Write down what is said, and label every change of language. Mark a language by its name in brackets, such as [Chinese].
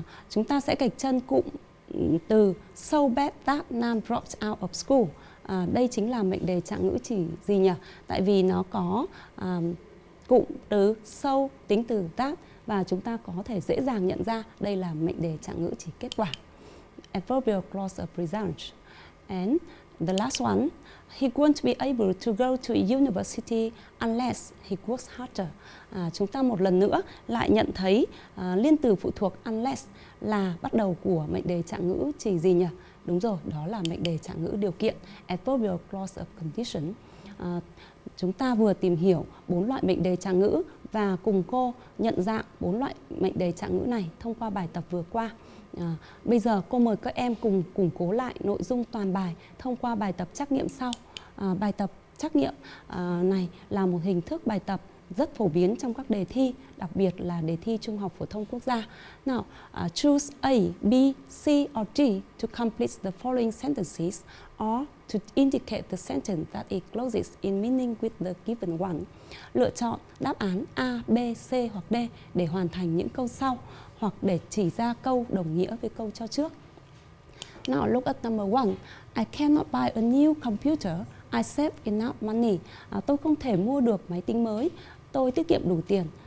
[Vietnamese] Chúng ta sẽ gạch chân cụm từ [English] so bad that Nam dropped out of school. [Vietnamese] Đây chính là mệnh đề trạng ngữ chỉ gì nhỉ? Tại vì nó có cụm từ so tính từ that và chúng ta có thể dễ dàng nhận ra đây là mệnh đề trạng ngữ chỉ kết quả. [English] Adverbial clause of present. And the last one, he won't be able to go to university unless he works harder. [Vietnamese] Chúng ta một lần nữa lại nhận thấy liên từ phụ thuộc unless là bắt đầu của mệnh đề trạng ngữ chỉ gì nhỉ? Đúng rồi, đó là mệnh đề trạng ngữ điều kiện, [English] adverbial clause of condition. [Vietnamese] Chúng ta vừa tìm hiểu bốn loại mệnh đề trạng ngữ và cùng cô nhận dạng bốn loại mệnh đề trạng ngữ này thông qua bài tập vừa qua. Bây giờ cô mời các em cùng củng cố lại nội dung toàn bài thông qua bài tập trắc nghiệm sau. Bài tập trắc nghiệm này là một hình thức bài tập rất phổ biến trong các đề thi, đặc biệt là đề thi Trung học Phổ thông Quốc gia. [English] Now, choose A, B, C or D to complete the following sentences or to indicate the sentence that it closes in meaning with the given one. [Vietnamese] Lựa chọn đáp án A, B, C hoặc D để hoàn thành những câu sau hoặc để chỉ ra câu đồng nghĩa với câu cho trước. [English] Now look at number one. I cannot buy a new computer. I save enough money. [Vietnamese] Tôi không thể mua được máy tính mới. Tôi tiết kiệm đủ tiền.